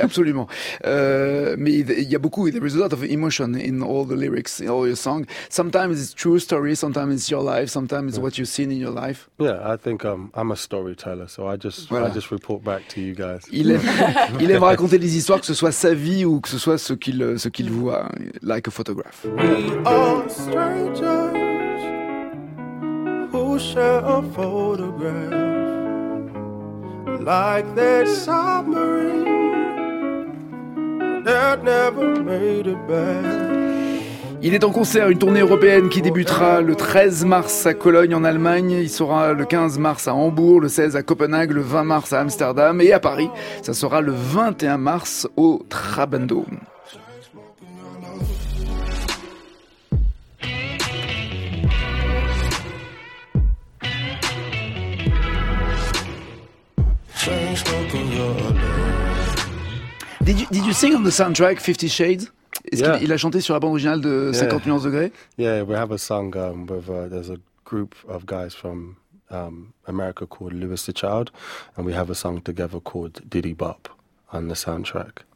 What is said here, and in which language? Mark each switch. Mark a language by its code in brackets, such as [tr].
[fr] absolument mais il y a beaucoup, [en] there is a lot of emotion in all the lyrics, in all your songs. Sometimes it's true story, sometimes it's your life, sometimes it's what you've seen in your life. Yeah, I think I'm a storyteller, so I just I just report back to you guys. [fr] Il aime raconter des histoires, que ce soit sa vie ou que ce soit ce qu'il voit, [en] like a photograph. We are strangers who share a photograph. Like that submarine that never made it back. [fr] Il est en concert, une tournée européenne qui débutera le 13 mars à Cologne en Allemagne. Il sera le 15 mars à Hambourg, le 16 à Copenhague, le 20 mars à Amsterdam et à Paris. Ça sera le 21 mars au Trabendome. [en] Did you sing on the soundtrack 50 Shades? [fr] Il a chanté sur la bande originale de 50 nuances degrés. [en] Yeah, we have a song with there's a group of guys from America called Lewis the Child, and we have a song together called Diddy Bop on the soundtrack.